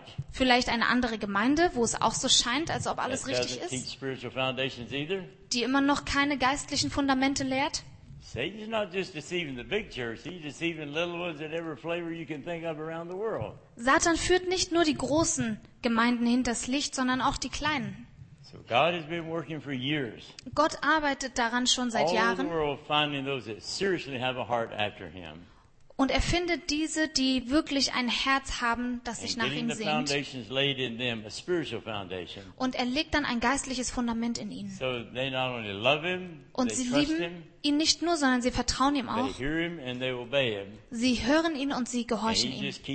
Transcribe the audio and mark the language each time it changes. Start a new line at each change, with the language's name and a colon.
German: Vielleicht eine andere Gemeinde, wo es auch so scheint, als ob alles richtig ist, die immer noch keine geistlichen Fundamente lehrt?
English: Satan's not just deceiving the big church, he's deceiving little ones at every flavor you can think of around the world.
German: Satan führt nicht nur die großen Gemeinden hinters Licht, sondern auch die kleinen.
English: So God has been working for years.
German: Gott arbeitet daran schon seit Jahren.
English: All the world finding those that seriously have a heart after him.
German: Und er findet diese, die wirklich ein Herz haben, das sich nach ihm sehnt. Und er legt dann ein geistliches Fundament in ihnen. Und sie lieben ihn nicht nur, sondern sie vertrauen ihm auch. Sie hören ihn und sie gehorchen ihm.